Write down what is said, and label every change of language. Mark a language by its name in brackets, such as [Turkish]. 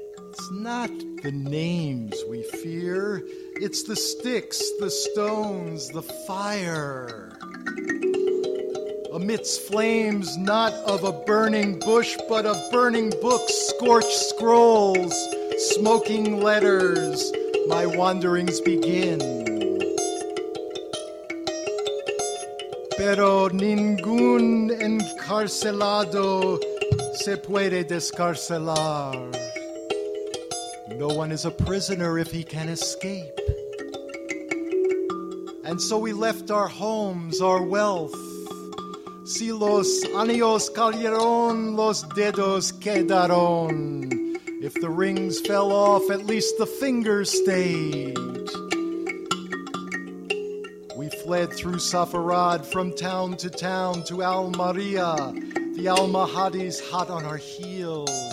[English] It's not the names we fear, it's the sticks, the stones, the fire. Amidst flames, not of a burning bush, but of burning books, scorched scrolls, smoking letters, my wanderings begin. [Spanish] Pero ningún encarcelado se puede descarcelar. [English] No one is a prisoner if he can escape. And so we left our homes, our wealth. [Spanish] Si los años cayeron, los dedos quedaron. [English] If the rings fell off, at least the fingers stayed. We fled through Safarad from town to town to Al Maria, the Almohades hot on our heels.